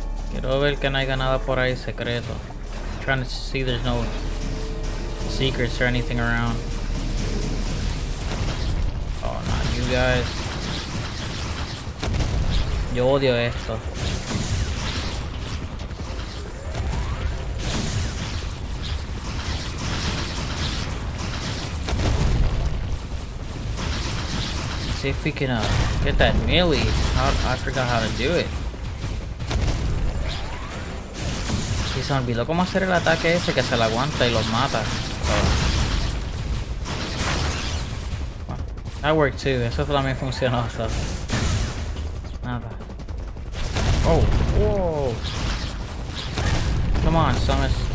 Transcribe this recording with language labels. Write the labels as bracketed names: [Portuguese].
[Spanish] Quiero ver que no haya nada por ahí secreto. [English] I'm trying to see there's no secrets or anything around. Oh, not you guys. [Spanish] Yo odio esto. [English] Let's see if we can get that melee. I forgot how to do it. [Spanish] Y se me olvidó cómo hacer el ataque ese que se lo aguanta y los mata. [English] Oh. That worked too, [Spanish] eso también funcionó. [English] So. [Spanish] Nada. [English] Oh, whoa. Come on, Summers.